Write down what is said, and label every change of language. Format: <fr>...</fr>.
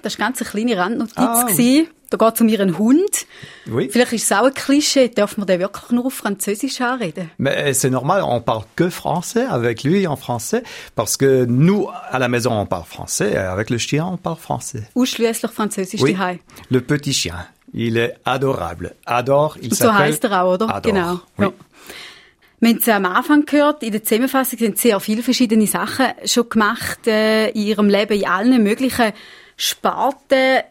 <de>Das war ganz eine kleine Randnotiz. Ah. Da geht es um Ihren Hund. Oui. Vielleicht ist es auch ein Klischee. Darf man den wirklich nur auf Französisch anreden?</de> <fr>Mais c'est normal. On parle que français avec lui en français. Parce que nous, à la maison, on parle français. Avec le chien, on parle français.</fr> <de>Ausschliesslich Französisch</de> <fr>zuhause. Le petit chien. Il est adorable. Adore, il</fr> <de>s'appelle... So heisst er auch, oder? Adore. Genau. Oui. Ja. Wir haben es am Anfang gehört, in der Zusammenfassung sind sehr viele verschiedene Sachen schon gemacht in Ihrem Leben, in allen möglichen Sparten.</de>